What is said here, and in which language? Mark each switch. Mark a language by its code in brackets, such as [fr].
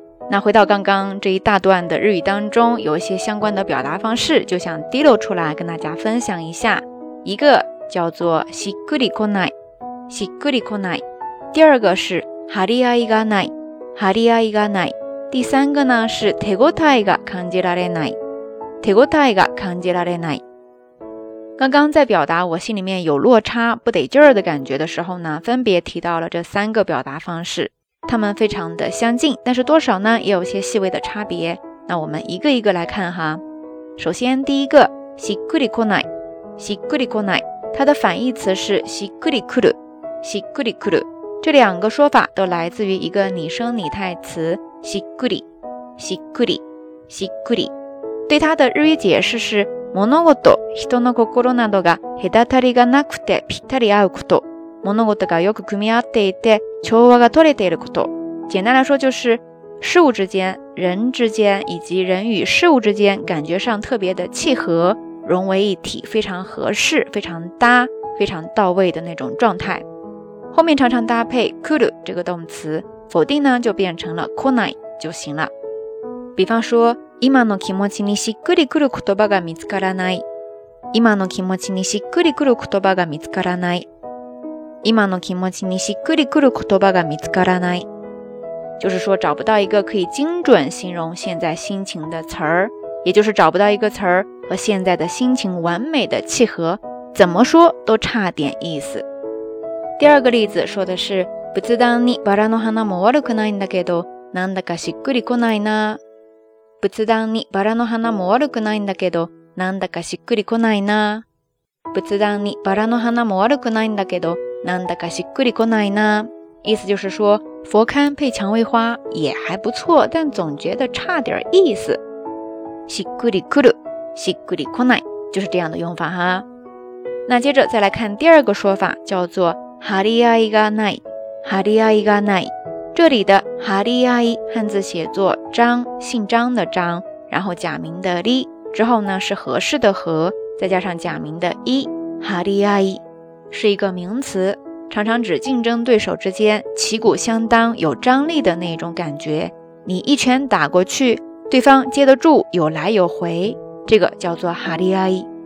[zh] 那回到刚刚这一大段的日语当中，有一些相关的表达方式就想滴漏出来跟大家分享一下。一个叫做しっくりこない，しっくりこない。第二个是張り合いがない，張り合いがない。第三个呢是手応えが感じられない，手応えが感じられない。刚刚在表达我心里面有落差不得劲儿的感觉的时候呢，分别提到了这三个表达方式，它们非常的相近，但是多少呢也有些细微的差别。那我们一个一个来看哈。首先第一个しっくりこない，しっくりこない，它的反义词是しっくりくる，しっくりくる。这两个说法都来自于一个拟声拟态词。 [ja] しっくり、しっくり、しっくり。 [zh] 对它的日语解释是、 [ja] 物事、人の心などが隔たりがなくてぴったり合うこと。物事がよく組み合っていて、調和が取れていること。 [zh] 简单来说就是、事物之间、人之间、以及人与事物之间、感觉上特别的契合、融为一体、非常合适、非常搭、非常到位的那种状态。后面常常搭配、くる这个动词。否定呢就变成了 konai 就行了。比方说 [ja] 今の気持ちにしっくりくる言葉が見つからない。今の気持ちにしっくりくる言葉が見つからない。今の気持ちにしっくりくる言葉が見つからない。 [zh] 就是说找不到一个可以精准形容现在心情的词儿，也就是找不到一个词儿和现在的心情完美的契合，怎么说都差点意思。第二个例子说的是 [ja] 仏壇にバラの花も悪くないんだけど、なんだかしっくりこないな。仏壇にバラの花も悪くないんだけど、なんだかしっくりこないな。仏壇にバラの花も悪くないんだけど、なんだかしっくりこないな。 [zh] 意思就是说，佛龛配蔷薇花也还不错，但总觉得差点意思。しっくりくる、しっくりこない，就是这样的用法哈。那接着再来看第二个说法，叫做張り合いがない。 [ja] 張り合いがない。 [zh] 这里的張り合い汉字写作张，姓张的张，然后假名的り，之后呢是合适的合，再加上假名的い。張り合い是一个名词，常常指竞争对手之间旗鼓相当有张力的那种感觉，你一拳打过去对方接得住，有来有回，这个叫做張り合い。